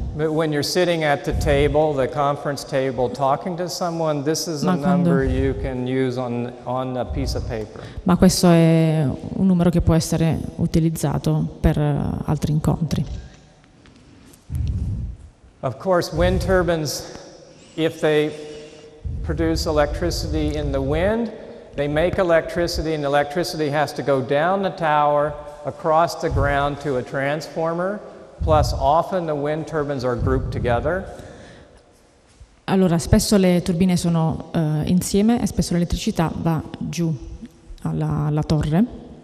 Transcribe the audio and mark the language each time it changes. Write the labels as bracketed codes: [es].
[en] But when you're sitting at the table, the conference table, talking to someone, this is a number you can use on a piece of paper. [it] Ma questo è un numero che può essere utilizzato per altri incontri. [en] Of course, wind turbines, if they produce electricity in the wind, they make electricity, and electricity has to go down the tower across the ground to a transformer, plus often the wind turbines are grouped together. [it] Allora, spesso le turbine sono insieme e spesso l'elettricità va giù alla torre.